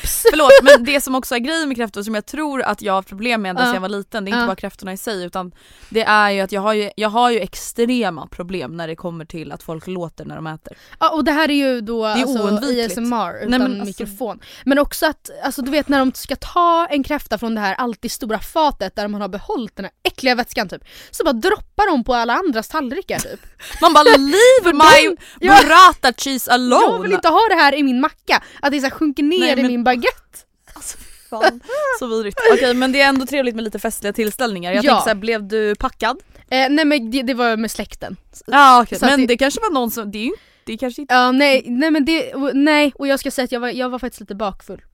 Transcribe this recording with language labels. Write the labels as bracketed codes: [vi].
[sv] Förlåt, men det som också är grejen med kräftor som jag tror att jag har problem med sedan jag var liten, det är inte bara kräftorna i sig, utan det är ju att jag har ju extrema problem när det kommer till att folk låter när de äter. Ja, och det här är ju då, är alltså, ASMR utan, nej, men, mikrofon. Alltså, men också att, alltså, du vet, när de ska ta en kräfta från det här alltid stora fatet där man har behållit den här äckliga vätskan typ, så bara droppar de på alla andras tallrikar typ. Man bara, [en] leave my burrata cheese alone. [sv] Jag vill inte ha det här i min macka, att det så sjunker ner. Nej, men... i min baguette. Alltså, fan. Så vidrigt. Okej, okay, men det är ändå trevligt med lite festliga tillställningar. Jag tänkte så här, blev du packad? Nej, men det var med släkten. Ja, ah, okej. Okay. Men det kanske var någon som... Det är kanske inte... Ja, nej, men det... Nej, och jag ska säga att jag var faktiskt lite bakfull.